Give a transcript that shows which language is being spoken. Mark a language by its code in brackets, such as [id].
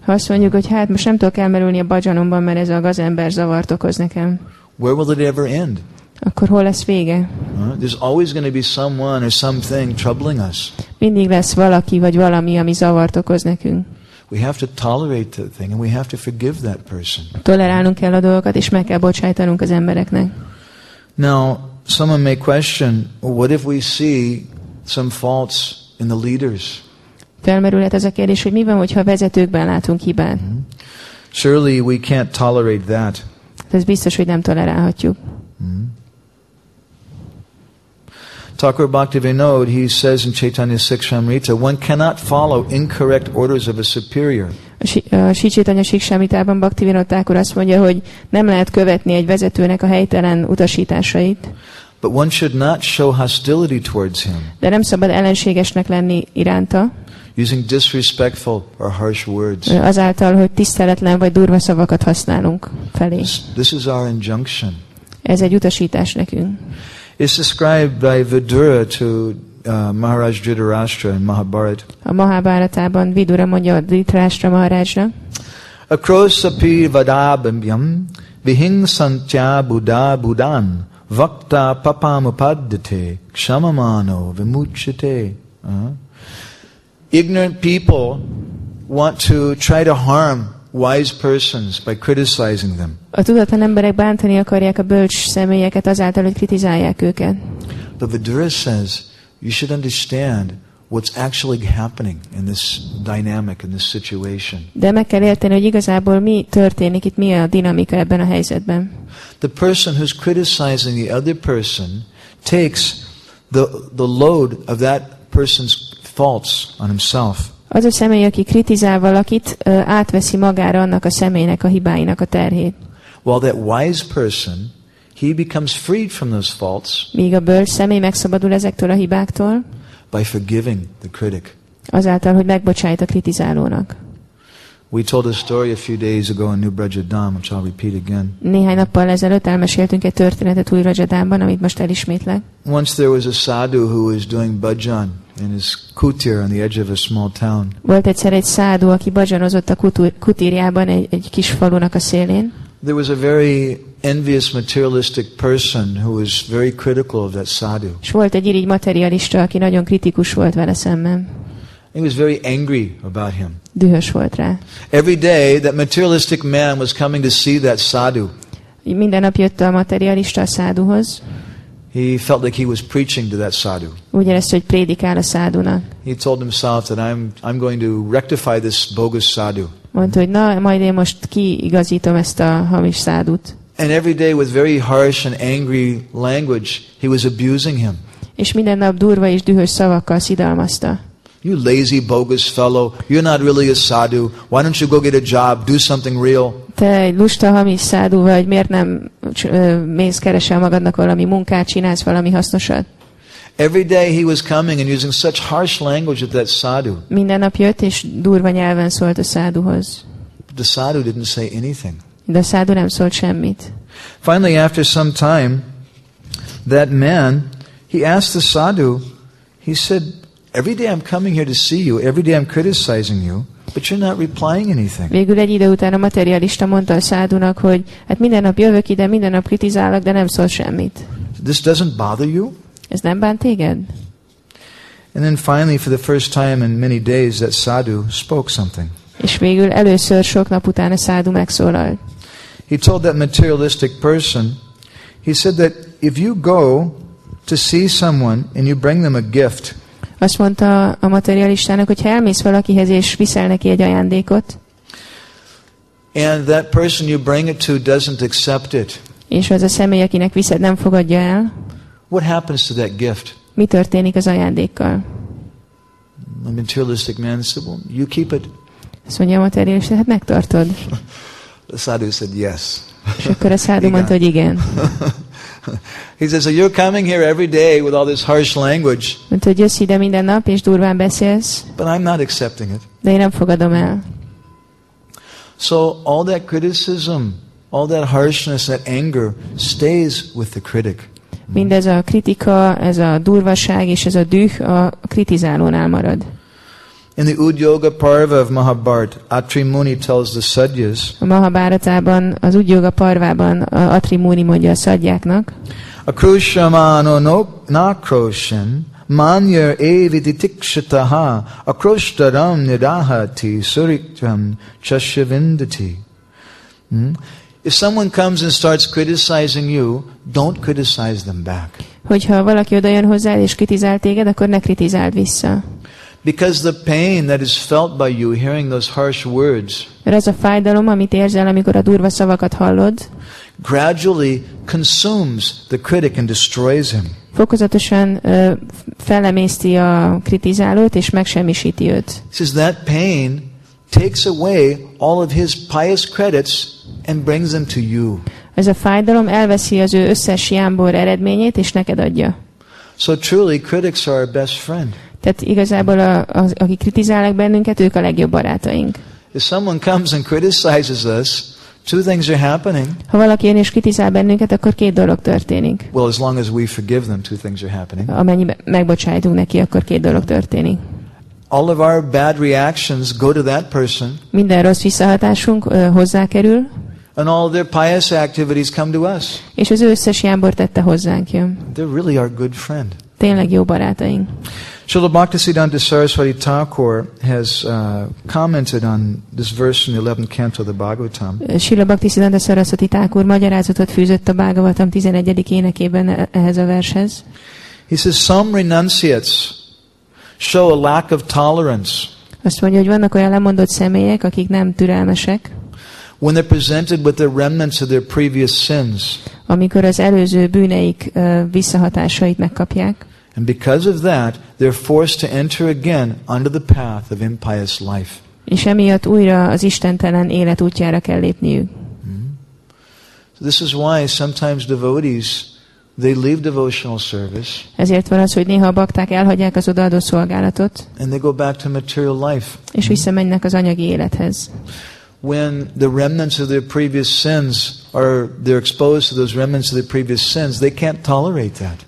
[hu] Ha azt mondjuk, hogy hát most nem tudok elmerülni a bhajanomban, mert ez a gazember zavart okoz nekem. [en] Where will it ever end? [hu] Akkor hol lesz vége? [en] There's always going to be someone or something troubling us. [hu] Mindig lesz valaki vagy valami, ami zavart okoz nekünk. [en] We have to tolerate the thing and we have to forgive that person. [hu] Tolerálnunk kell a dolgokat és meg kell bocsájtanunk az embereknek. [en] Now, someone may question, what if we see some faults in the leaders? [hu] Felmerülhet ez a kérdés, hogy mi van, hogyha a vezetőkben látunk hibát? [en] Surely we can't tolerate that. [hu] Ez biztos, hogy nem tolerálhatjuk. [en] Thakur Bhaktivinoda, he says in Chaitanya Sikshamrita, one cannot follow incorrect orders of a superior. [hu] A Sri Chaitanya Sikshamritában Bhaktivinoda Thakur azt mondja, hogy nem lehet követni egy vezetőnek a helytelen utasításait. [en] But one should not show hostility towards him. [hu] De nem szabad ellenségesnek lenni iránta. [en] Using disrespectful or harsh words. [hu] Azáltal, hogy tiszteletlen vagy durva szavakat használunk felé. [en] This is our injunction. [hu] Ez egy utasítás nekünk. [en] It's described by Vidura to Maharaj Dhritarashtra in Mahabharata. [hu] A Mahabharatában Vidura mondja Dhritarashtra Maharajra. [sa] Akrosapi vadabhyam vihinsantya buddha buddhan vakta papamupaddate kshamamano vimuchate. [en] Ignorant people want to try to harm wise persons by criticizing them. [hu] A tudatlan emberek bántani akarják a bölcs személyeket azáltal, hogy kritizálják őket. [en] But Vidura says, you should understand, what's actually happening in this dynamic, in this situation. [hu] De meg kell érteni, hogy igazából mi történik itt, mi a dinamika ebben a helyzetben. [en] The person who's criticizing the other person takes the load of that person's faults on himself. [hu] Az a személy, aki kritizál valakit, átveszi magára annak a személynek a hibáinak a terhét. [en] While that wise person, he becomes freed from those faults. [hu] Míg a bölcs személy megszabadul ezektől a hibáktól. [en] By forgiving the critic. [hu] Azáltal, hogy megbocsájt a kritizálónak. [en] We told a story a few days ago in New Brajadam, which I'll repeat again. [hu] Néhány nappal ezelőtt elmeséltünk egy történetet Új Rajadámban, amit most elismétlek. [en] Once there was a sadhu who was doing bhajan in his kutir on the edge of a small town. [hu] Volt egyszer egy sádu, aki bhajanozott a kutírjában egy kis falunak a szélén. [en] There was a very envious materialistic person who was very critical of that sadhu. [hu] S volt egy irigy materialista, aki nagyon kritikus volt vele szemben. [en] He was very angry about him. [hu] Dühös volt rá. [en] Every day that materialistic man was coming to see that sadhu. [hu] Minden nap jött a materialista a sádúhoz. [en] He felt like he was preaching to that sadhu. [hu] Úgy érezte, hogy prédikál a sádúnak. [en] He told himself that I'm going to rectify this bogus sadhu. [hu] Mondta, hogy na, majd én most kiigazítom ezt a hamis sádút. [en] And every day with very harsh and angry language, he was abusing him. [hu] És minden nap durva és dühös szavakkal szidalmazta. [en] You lazy bogus fellow, you're not really a sadhu. Why don't you go get a job, do something real? [hu] Te egy lusta hamis sádú vagy, miért nem mész keresel magadnak valami munkát, csinálsz valami hasznosat? [en] Every day he was coming and using such harsh language at that sadhu. [hu] Minden nap jött és durva nyelven szólt a sádúhoz. [en] The sadhu didn't say anything. [hu] De a sádú nem szólt semmit. [en] Finally, after some time, that man, he asked the sadhu, he said, every day I'm coming here to see you, every day I'm criticizing you, but you're not replying anything. [hu] Végül egy idő után a materialista mondta a sádúnak, hogy hát minden nap jövök ide, minden nap kritizálok, de nem szól semmit. [en] This doesn't bother you? [hu] Ez nem bánt téged? [en] And then finally, for the first time in many days, that sadhu spoke something. [hu] És végül először sok nap után a sádhu megszólalt. [en] He told that materialistic person, he said that if you go to see someone and you bring them a gift, [hu] azt mondta a materialistának, hogy ha elmész valakihez és viszel neki egy ajándékot, [en] and that person you bring it to doesn't accept it, [hu] és az a személy, akinek viszed, nem fogadja el, [en] what happens to that gift? [hu] Mi történik az ajándékkal? [en] A materialistic man said, well, you keep it. [hu] Azt mondja a materialista, hát megtartod. [en] The sadhu said, yes. [hu] És akkor a sadhu mondta, hogy igen. [en] He says, so you're coming here every day with all this harsh language. [hu] Mondta, hogy jössz ide minden nap, és durván beszélsz. [en] But I'm not accepting it. [hu] De én nem fogadom el. [en] So all that criticism, all that harshness, that anger stays with the critic. [hu] Mindez a kritika, ez a durvaság és ez a düh a kritizálónál marad. [en] In the Udyoga Parva of Mahabharat, Atrimuni tells the Sadyas. [hu] A Mahabharatában, az Udyoga Parvában Atrimuni mondja a Sadyáknak. [sa] Akrushamano nakroshin manyar evititikshataha akrushtaram nidahati suritram chashivindati. [en] If someone comes and starts criticizing you, don't criticize them back. [hu] Hogyha valaki odajön hozzád és kritizál téged, akkor ne kritizáld vissza. [en] Because the pain that is felt by you hearing those harsh words, [hu] ez a fájdalom, amit érzel, amikor a durva szavakat hallod, [en] gradually consumes the critic and destroys him. [hu] Fokozatosan felemészti a kritizálót és megsemmisíti őt. [en] Since that pain takes away all of his pious credits and brings them to you. [hu] Ez a fájdalom elveszi az ő összes jámbor eredményét és neked adja. [en] So truly critics are our best friend. [hu] Tehát igazából aki kritizálnak bennünket, ők a legjobb barátaink. [en] If someone comes and criticizes us, two things are happening. [hu] Ha valaki jön és kritizál bennünket, akkor két dolog történik. [en] Well, as long as we forgive them, two things are happening. [hu] Amennyiben megbocsájtunk neki, akkor két dolog történik. [en] All of our bad reactions go to that person. [hu] Minden rossz visszahatásunk hozzá kerül. [en] And all their pious activities come to us. [hu] És az összes jámbor tette hozzánk jön. [en] They're really our good friend. [hu] Tényleg jó barátaink. [en] Srila Bhaktisiddhanta Saraswati Thakur has commented on this verse in the 11th canto of the Bhagavatam. [hu] Srila Bhaktisiddhanta Saraswati Thakur magyarázatot fűzött a Bhagavatam 11. énekében ehhez a vershez. [en] He says, some renunciates show a lack of tolerance. [hu] Azt mondja, hogy vannak olyan lemondott személyek, akik nem türelmesek. [en] When they're presented with the remnants of their previous sins. [hu] Amikor az előző bűneik visszahatásait megkapják. [en] And because of that, they're forced to enter again under the path of impious life. [hu] És emiatt újra az istentelen élet útjára kell lépniük. [en] So this is why sometimes devotees they leave devotional service. [hu] Ezért van az, hogy néha a bakták elhagyják az odaadó szolgálatot. [en] And they go back to material life. [hu] És visszamennek az anyagi élethez. [en] When the remnants of their previous sins are they're exposed to those remnants of their previous sins, they can't tolerate that.